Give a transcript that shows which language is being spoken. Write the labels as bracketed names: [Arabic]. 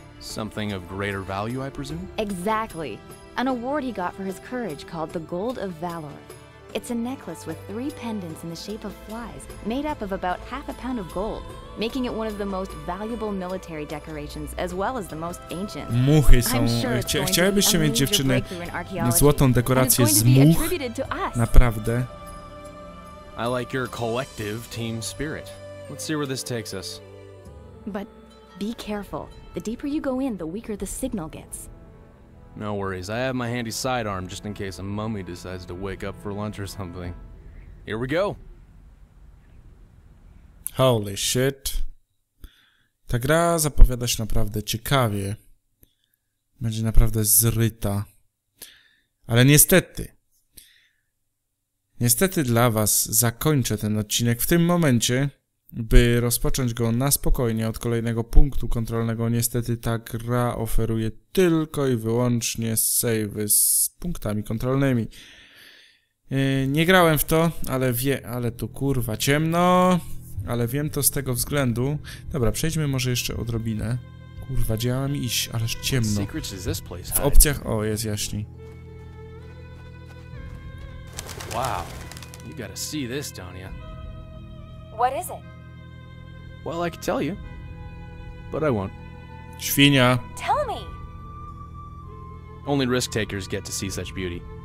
[English] Something of greater value, I presume? Exactly. An award he got for his courage called the Gold of Valor. It's a necklace with 3 pendants in the shape of flies, made up of about 1/2 pound of gold, making it one of the most valuable military decorations, as well as the most ancient. [Polish] Muchy są... Chciałybyście mieć, dziewczyny, złotą dekorację z much? Naprawdę. [English] I like your collective team spirit. Let's see where this takes us. But be careful. The deeper you go in, the weaker the signal gets. No worries, I have my handy sidearm just in case a mummy decides to wake up for lunch or something. Here we go! Holy shit. [Polish] Ta gra zapowiada się naprawdę ciekawie. Będzie naprawdę zryta. Ale niestety. Niestety dla was zakończę ten odcinek w tym momencie, by rozpocząć go na spokojnie od kolejnego punktu kontrolnego. Niestety ta gra oferuje tylko i wyłącznie save'y z punktami kontrolnymi. Nie grałem w to, ale ale tu kurwa ciemno, ale wiem to z tego względu. Dobra, przejdźmy może jeszcze odrobinę. Kurwa, działa mi iść, ależ ciemno. W opcjach... O, jest jaśniej. [English] Wow, you gotta see this, Donia. What is it? Well, I could tell you, but I won't. [Polish] Świnia. [English] Tell me. Only risk takers get to see such beauty.